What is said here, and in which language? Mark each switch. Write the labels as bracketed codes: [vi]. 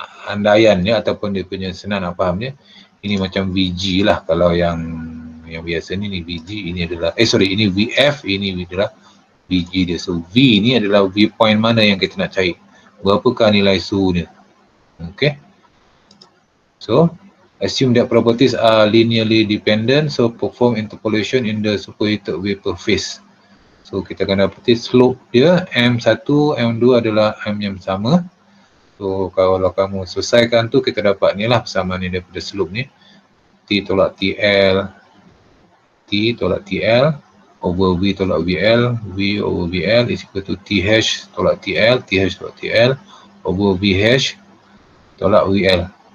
[ms] andaiannya ataupun dia punya senar nak faham dia, ini macam VG lah. Kalau yang yang biasa ni, ni VG, ini adalah, eh sorry, ini VF, ini adalah VG dia. So V ni adalah viewpoint mana yang kita nak cari, berapakah nilai suhu dia. [en] Okay, so assume that properties are linearly dependent, so perform interpolation in the superheated vapor phase. [ms] So kita akan dapat slope dia, M1, M2 adalah M yang sama. So kalau kamu selesaikan tu, kita dapat ni lah persamaan ni daripada slope ni. T tolak TL, T tolak TL over V tolak VL, V over VL [en] is equal to [ms] TH tolak TL, TH tolak TL over VH tolak VL.